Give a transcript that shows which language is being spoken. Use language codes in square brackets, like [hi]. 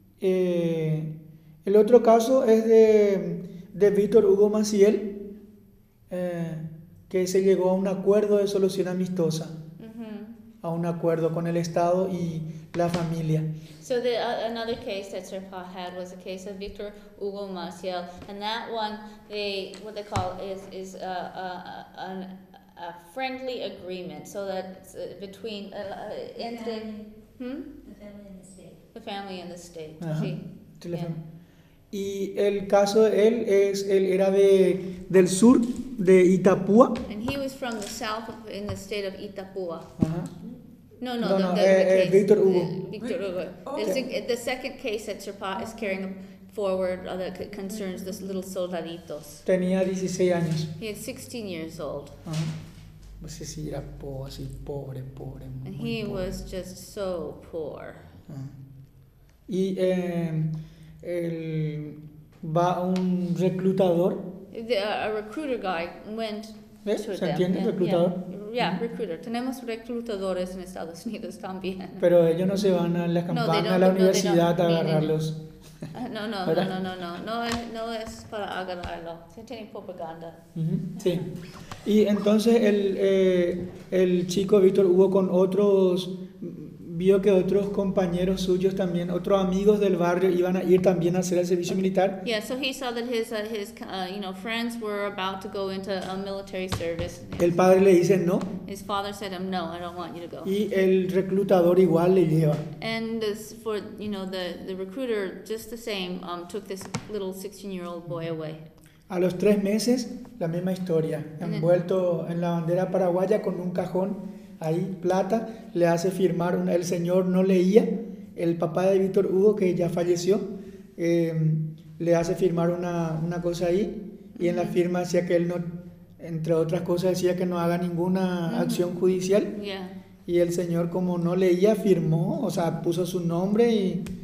[es] El otro caso es de Víctor Hugo Maciel, que se llegó a un acuerdo de solución amistosa, uh-huh. a un acuerdo con el Estado y la familia. [en] So the another case that Sherpa had was a case of Victor Hugo Maciel, and that one a friendly agreement, so that between the family and the state. The family and the state. Uh-huh. [es] Sí. Y el caso de él es él era de del sur de Itapúa. [en] And he was from the south of, in the state of Itapúa. Uh-huh. [es] No, Victor Hugo. [en] Victor Hugo. Okay. The second case that Sherpa is carrying forward that concerns this little soldaditos. [es] Tenía 16 años. [en] He had 16 years old. [es] Uh-huh. Sí, sí, era así, pobre. [en] And he [es] pobre. [en] Was just so poor. [es] Uh-huh. Y él va un reclutador. [en] A recruiter guy went [es] ¿Se entiende? [en] Them. [es] Reclutador. [en] Yeah, recruiter. [es] Tenemos reclutadores en Estados Unidos también. Pero ellos no se van a la campaña, a la universidad a agarrarlos. No, es para agarrarlo. Se tiene propaganda. Uh-huh. Sí. Y entonces el chico Víctor Hugo con otros, vio que otros compañeros suyos también, otros amigos del barrio iban a ir también a hacer el servicio militar. [en] Yeah, so he saw that his friends were about to go into a military service. [es] El padre le dice no. [en] His father said him no, I don't want you to go. [es] Y el reclutador igual le lleva. [en] And this for, you know, the recruiter just the same took this little 16-year-old boy away. [es] A los 3 meses, la misma historia. Envuelto en la bandera paraguaya con un cajón. Ahí, plata, le hace firmar, el señor no leía, el papá de Víctor Hugo, que ya falleció, le hace firmar una cosa ahí, y en la firma decía que él no, entre otras cosas, decía que no haga ninguna acción judicial, y el señor como no leía, firmó, o sea, puso su nombre y...